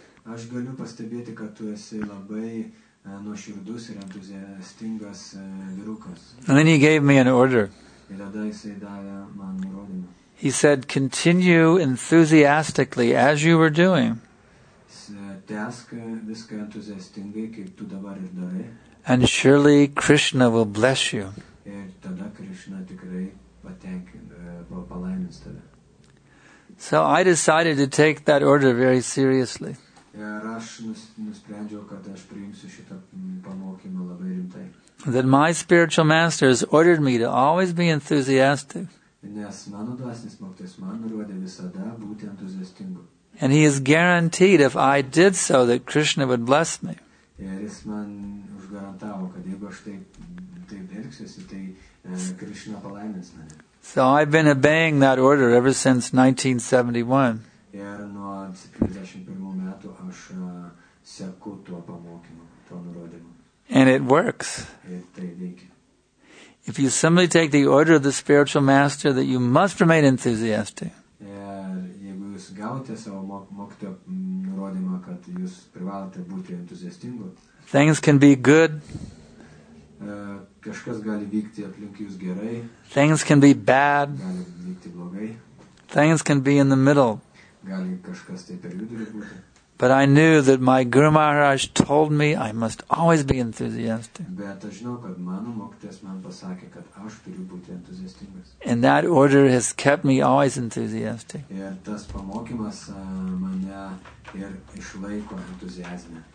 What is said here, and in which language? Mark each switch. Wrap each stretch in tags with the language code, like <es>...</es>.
<lt>Aš galiu pastebėti, kad tu esi labai nuoširdus ir entuziastingas vyrukas.</lt> <en>And then he gave me an order.</en> <lt>Ir tada jisai davė man nurodymą.</lt> <en>He said, continue enthusiastically as you were doing.</en> <lt>Tęsk viską entuziastingai, kaip tu dabar ir darai.</lt> <en>And surely Krishna will bless you.</en> <lt>Ir tada Krishna tikrai palaimins tave.</lt> <en>So I decided to take that order very seriously.</en> <lt>Ir aš nusprendžiau, kad aš priimsiu šitą pamokymą labai rimtai.</lt> <en>That my spiritual master has ordered me to always be enthusiastic.</en> <lt>Nes mano dvasinis mokytojas man nurodė visada būti entuziastingu.</lt> <en>And he is guaranteed if I did so that Krishna would bless me.</en> <lt>Ir jis man užgarantavo, kad jeigu aš taip elgsiuosi, tai Krishna palaimins mane.</lt> <en>So I've been obeying that order ever since 1971.</en> <lt>Ir nuo 71 metų aš seku tuo pamokymu, tuo nurodymu.</lt> <en>And it works.</en> <lt>Ir tai veikia.</lt> <en>If you simply take the order of the spiritual master that you must remain enthusiastic.</en> <lt>Ir jeigu jūs gavote savo mokytojo nurodymą, kad jūs privalote būti entuziastingu.</lt> <en>Things can be good.</en> <lt>Kažkas gali vykti aplink jūs gerai.</lt> <en>Things can be bad.</en> <lt>Gali vykti blogai.</lt> <en>Things can be in the middle.</en> <lt>Gali kažkas tai per vidurį būti.</lt> <en>But I knew that my Guru Maharaj told me I must always be enthusiastic.</en> <lt>Bet aš žinau, kad mano mokytojas man pasakė, kad aš turiu būti entuziastingas.</lt> <en>And that order has kept me always enthusiastic.</en> <lt>Ir tas pamokymas mane ir išlaiko entuziazme.</lt>